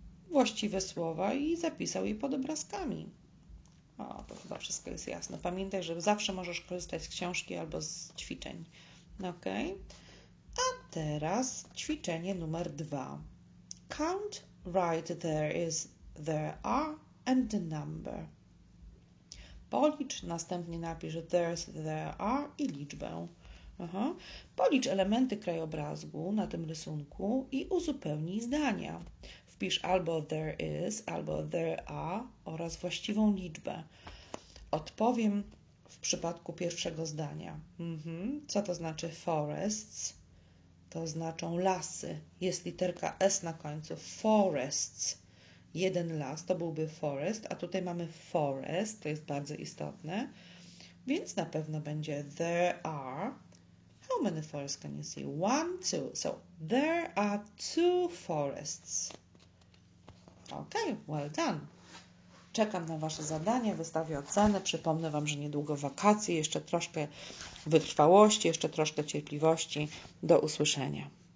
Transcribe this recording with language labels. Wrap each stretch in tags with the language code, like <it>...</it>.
<pl>Właściwe słowa i zapisał je pod obrazkami. O, to chyba wszystko jest jasne. Pamiętaj, że zawsze możesz korzystać z książki albo z ćwiczeń. Ok, a teraz ćwiczenie numer 2.</pl> <en>Count right there is there are and the number.</en> <pl>Policz, następnie napisz</pl> <en>there's, there are</en> <pl>i liczbę. Policz elementy krajobrazu na tym rysunku i uzupełnij zdania. Wpisz albo</pl> <en>there is,</en> <pl>albo</pl> <en>there are</en> <pl>oraz właściwą liczbę. Odpowiem w przypadku pierwszego zdania. Co to znaczy</pl> <en>forests?</en> <pl>To znaczą lasy. Jest literka S na końcu. Forests. Jeden las to byłby forest, a tutaj mamy forest, to jest bardzo istotne. Więc na pewno będzie</pl> <en>there are. How many forests can you see? One, two. So, there are two forests. Ok, well done.</en> <pl>Czekam na Wasze zadanie, wystawię ocenę. Przypomnę Wam, że niedługo wakacje, jeszcze troszkę wytrwałości, jeszcze troszkę cierpliwości. Do usłyszenia.</pl>